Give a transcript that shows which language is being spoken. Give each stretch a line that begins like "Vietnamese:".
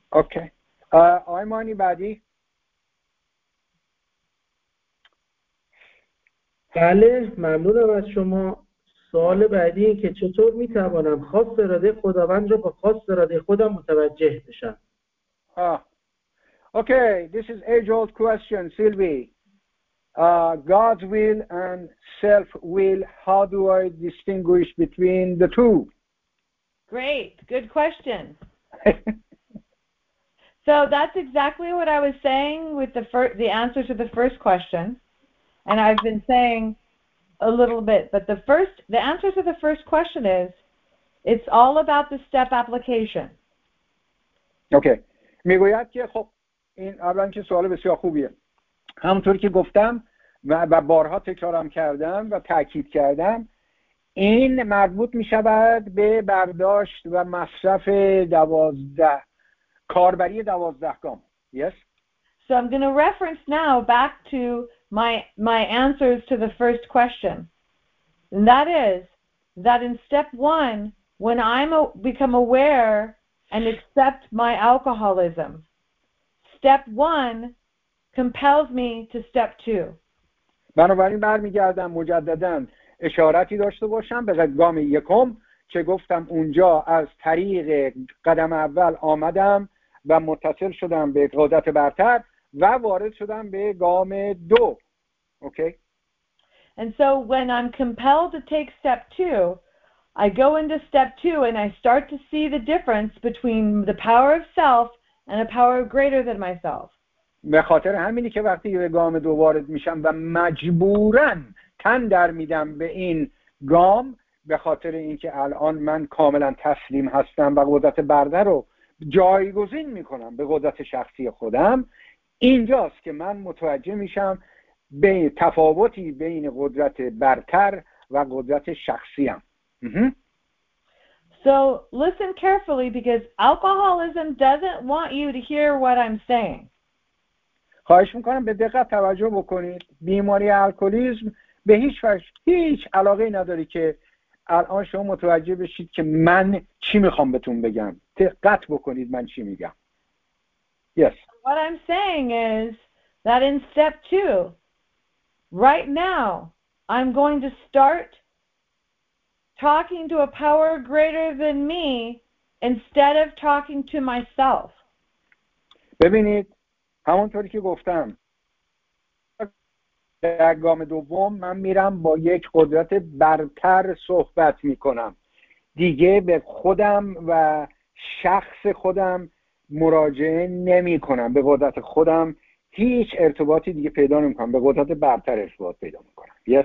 English: Okay.
Persian: آقای مانی بعدی. بله ممنونم از شما. سوال بعدی این که چطور می توانم خاص اراده خداوند رو با خاص اراده خودم متوجه بشم؟
English: Okay, this is age old question, Sylvie. God's will and self will, how do I distinguish between the two? Great, good question. So that's exactly what I was saying with the answer to the first question. And I've been saying a little bit, but the answer to the first question is, it's all about the step application. Okay.
Persian: میگوید که خب این اولاً که سوال بسیار خوبیه. همونطور که گفتم و بارها تکرارم کردم و تاکید کردم، این مربوط می‌شود به برداشت و مصرف 12 کاربری 12 گام.
English: Yes. So I'm going to reference now back to my answers to the first question. And that is that in step one, when I'm become aware and accept my alcoholism, step one compels me to step two.
Persian: بنابراین برمیگردم مجدداً اشاراتی داشته باشم به گام یکم که گفتم اونجا از طریق قدم اول آمدم و متصل شدم به قدرت برتر و وارد شدم به گام دو.
English: Okay. And so when I'm compelled to take step two, I go into step two and I start to see the difference between the power of self and a power greater than myself.
Persian: به خاطر همینی که وقتی به گام دو وارد میشم و مجبورن تن در میدم به این گام، به خاطر اینکه الان من کاملا تسلیم هستم و قدرت برده رو جایگزین میکنم به قدرت شخصی خودم، اینجاست که من متوجه میشم به تفاوتی بین قدرت برتر و قدرت شخصیم.
English: So listen carefully because alcoholism doesn't want you to hear what I'm saying.
Persian: خواهش میکنم به دقت توجه بکنید. بیماری الکلیسم به هیچ وجه هیچ علاقه نداری که الان شما متوجه بشید که من چی میخوام بهتون بگم. دقت بکنید من چی میگم.
English: Yes. What I'm saying is that in step two, right now, I'm going to start talking to a power greater than me instead of talking to myself.
Persian: ببینید. همونطوری که گفتم در گام دوم من میرم با یک قدرت برتر صحبت میکنم، دیگه به خودم و شخص خودم مراجعه نمی کنم، به قدرت خودم هیچ ارتباطی دیگه پیدا نمی کنم، به قدرت برتر ارتباط پیدا می کنم.